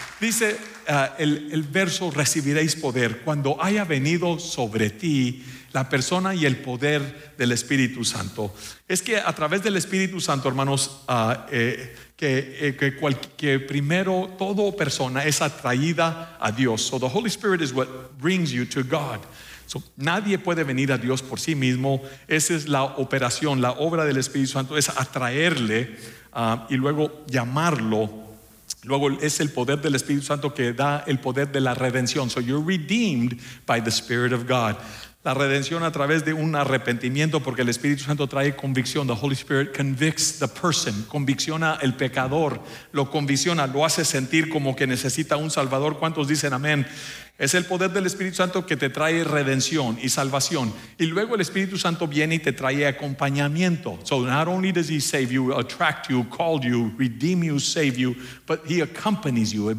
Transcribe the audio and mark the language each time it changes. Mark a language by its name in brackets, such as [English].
[Spanish] Dice el verso, recibiréis poder cuando haya venido sobre ti la persona y el poder del Espíritu Santo. Es que a través del Espíritu Santo, hermanos, que primero toda persona es atraída a Dios. [English] So the Holy Spirit is what brings you to God. [Spanish] So, nadie puede venir a Dios por sí mismo. Esa es la operación, la obra del Espíritu Santo, es atraerle y luego llamarlo. Luego es el poder del Espíritu Santo que da el poder de la redención. [English] So you're redeemed by the Spirit of God. [Spanish] La redención a través de un arrepentimiento, porque el Espíritu Santo trae convicción. [English] The Holy Spirit convicts the person. [Spanish] Convicciona el pecador. Lo convicciona, lo hace sentir como que necesita un salvador. ¿Cuántos dicen amén? Es el poder del Espíritu Santo que te trae redención y salvación. Y luego el Espíritu Santo viene y te trae acompañamiento. [English] So not only does he save you, attract you, call you, redeem you, save you, but he accompanies you.